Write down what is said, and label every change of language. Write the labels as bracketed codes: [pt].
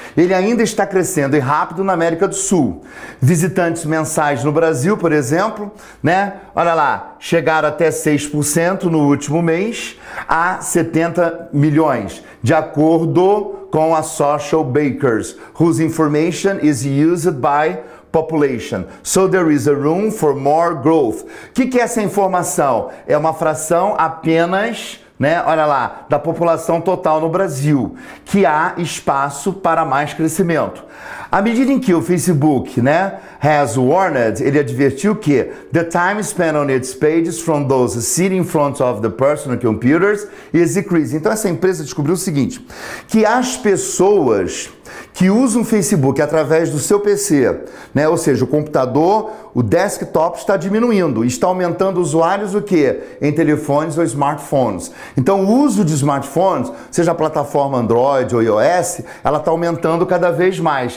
[pt] Ele ainda está crescendo e rápido na América do Sul. Visitantes mensais no Brasil, por exemplo, né? Olha lá, chegaram até 6% no último mês a 70 milhões, de acordo com a Social Bakers, [en] whose information is used by population. So there is a room for more growth. [pt] Que é essa informação? É uma fração apenas, né? Olha lá, da população total no Brasil, que há espaço para mais crescimento. À medida em que o Facebook, né, [en] has warned, [pt] ele advertiu que [en] the time spent on its pages from those sitting in front of the personal computers is decreasing. [pt] Então essa empresa descobriu o seguinte, que as pessoas que usam o Facebook através do seu PC, né, ou seja, o computador, o desktop está diminuindo, está aumentando usuários o quê? Em telefones ou smartphones. Então o uso de smartphones, seja a plataforma Android ou iOS, ela está aumentando cada vez mais.